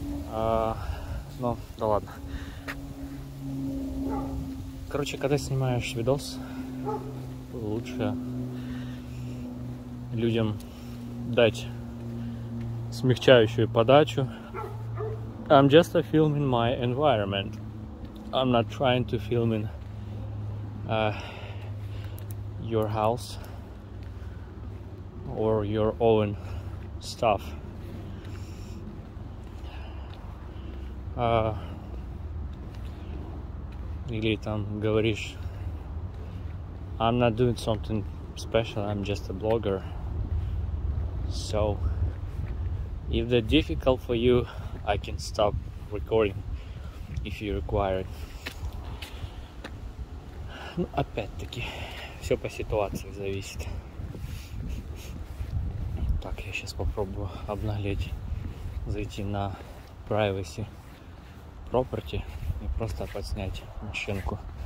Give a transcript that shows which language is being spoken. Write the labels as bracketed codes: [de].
[ru] Но, да ладно. Короче, когда снимаешь видос, лучше людям дать смягчающую подачу. [en] I'm just a filming my environment. I'm not trying to film in your house or your own stuff. [ru] Или там говоришь, [en] I'm not doing something special, I'm just a blogger. So, if that's difficult for you, I can stop recording, if you require it. [ru] Ну, опять-таки, все по ситуации зависит. Так, я сейчас попробую обнаглеть, зайти на privacy property и просто подснять машинку.